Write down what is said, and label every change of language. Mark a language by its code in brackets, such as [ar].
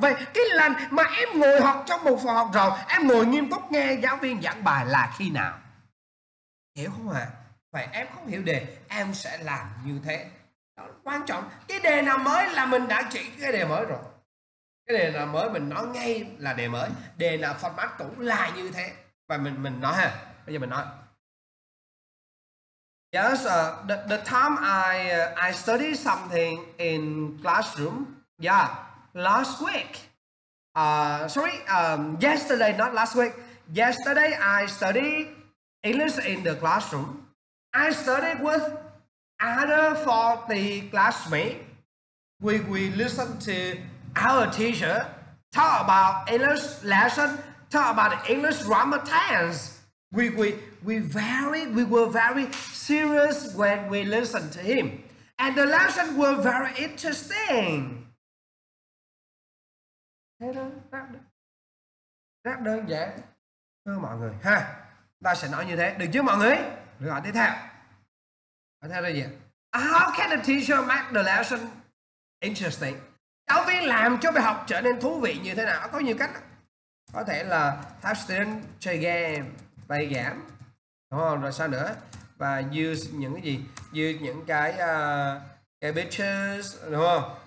[vi] Vậy cái lần mà em ngồi học trong một phòng học rộng, em ngồi nghiêm túc nghe giáo viên giảng bài là khi nào? Hiểu không ạ? Vậy em không hiểu đề, em sẽ làm như thế. Đó, quan trọng, cái đề nào mới là mình đã chỉ cái đề mới rồi. Cái đề nào mới mình nói ngay là đề mới. Đề nào format cũ là như thế. Và mình nói ha. Bây giờ mình nói. [en] Yes, the time I study something in classroom. Yeah, last week. Yesterday, not last week. Yesterday I study English in the classroom. I studied with other 40 classmates. We listened to our teacher talk about English lesson, talk about English grammar tense. We were very serious when we listened to him, and the lesson were very interesting. [vi] Rất đơn giản thưa mọi người ha. Ta sẽ nói như thế được chứ mọi người? Rồi tiếp theo. Tiếp theo là gì? [en] How can the teacher make the lesson interesting? [vi] Giáo viên làm cho bài học trở nên thú vị như thế nào? Có nhiều cách. Có thể là [en] have students [vi] chơi game, [en] play game, [vi] đúng không? Rồi sao nữa? Và use những cái gì? Use những cái pictures, đúng không?